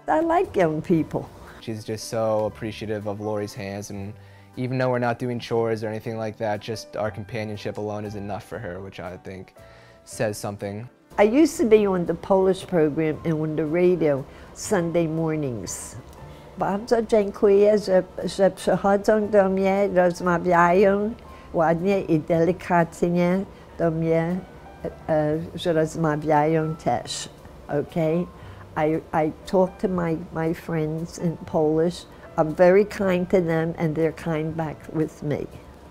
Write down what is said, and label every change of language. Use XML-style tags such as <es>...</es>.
<en>I like young people. She's just so appreciative of Lori's hands. And even though we're not doing chores or anything like that, just our companionship alone is enough for her, which I think says something. I used to be on the Polish program and on the radio Sunday mornings.</en> <pl>Bardzo dziękuję, że przychodzą do mnie, rozmawiają ładnie I delikatnie do mnie, że rozmawiają też, okay?</pl> <en>I talk to my friends in Polish. I'm very kind to them and they're kind back with me.</en>